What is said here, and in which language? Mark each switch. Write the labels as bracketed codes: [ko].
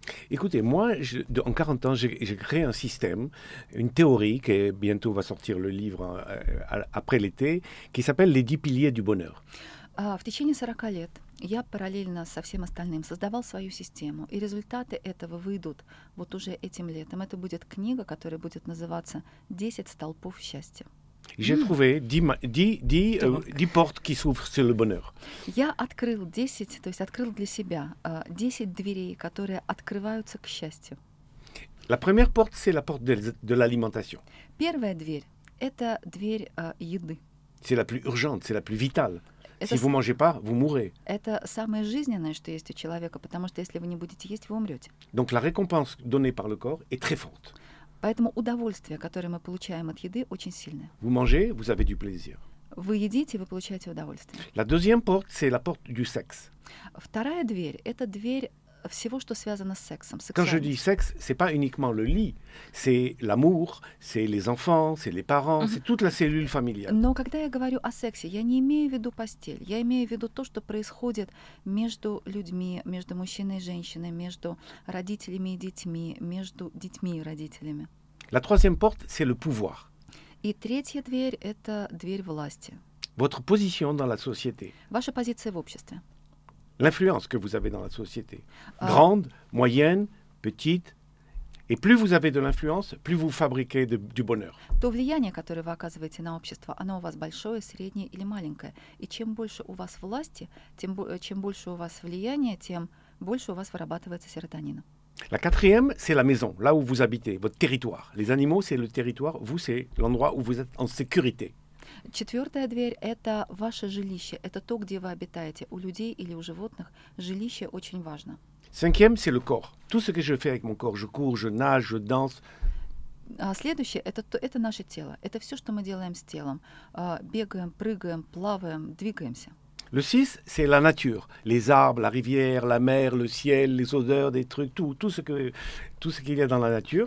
[fr] Écoutez, moi, en 40 ans, j'ai créé un système, une théorie qui bientôt va sortir le livre après l'été, qui s'appelle les 10 piliers du bonheur. [ru] В течение 40 лет я параллельно со всем остальным создавал свою систему, и результаты этого выйдут вот уже этим летом. Это будет книга, которая будет называться «10 столпов счастья». [fr] J'ai trouvé 10 portes qui s'ouvrent sur le bonheur. [ru] Я открыл 10, то есть открыл для себя 10 дверей, которые открываются к счастью. [fr] La première porte, c'est la porte de l'alimentation. [ru] Первая дверь — это дверь еды. [fr] C'est la plus urgente, c'est la plus vitale. Si vous mangez pas, vous mourrez. [ru] Это самое жизненное, что есть у человека, потому что если вы не будете есть, вы умрете. [fr] Donc la récompense donnée par le corps est très forte. [ru] Поэтому удовольствие, которое мы получаем от еды, очень сильное. [fr] Vous mangez, vous avez du plaisir. [ru] Вы едите, вы получаете удовольствие. [fr] La deuxième porte, c'est la porte du sexe. [ru] Вторая дверь – это дверь всего, что связано с сексом. [fr] Quand je dis sexe, c'est pas uniquement le lit, c'est l'amour, c'est les enfants, c'est les parents, c'est toute la cellule familiale. [ru] Но когда я говорю о сексе, я не имею в виду постель, я имею в виду то, что происходит между людьми, между мужчиной и женщиной, между родителями и детьми, между детьми и родителями. [fr] La troisième porte, c'est le pouvoir. [ru] И третья дверь – это дверь власти. [fr] Votre position dans la société. [ru] Ваша позиция в обществе. [fr] L'influence que vous avez dans la société. Grande, moyenne, petite. Et plus vous avez de l'influence, plus vous fabriquez de, du bonheur. [ru] То влияние, которое вы оказываете на общество, оно у вас большое, среднее или маленькое. И чем больше у вас власти, тем, чем больше у вас влияния, тем больше у вас вырабатывается серотонина. [fr] La quatrième, c'est la maison, là où vous habitez, votre territoire. Les animaux, c'est le territoire. Vous, c'est l'endroit où vous êtes en sécurité. [ru] Четвертая дверь – это ваше жилище. Это то, где вы обитаете. У людей или у животных жилище очень важно. [fr] Cinquième, c'est le corps. Tout ce que je fais avec mon corps, je cours, je nage, je danse. [ru] Следующее – это наше тело. Это все, что мы делаем с телом. Бегаем, прыгаем, плаваем, двигаемся. [fr] Le six, c'est la nature, les arbres, la rivière, la mer, le ciel, les odeurs, des trucs, tout ce qu'il y a dans la nature.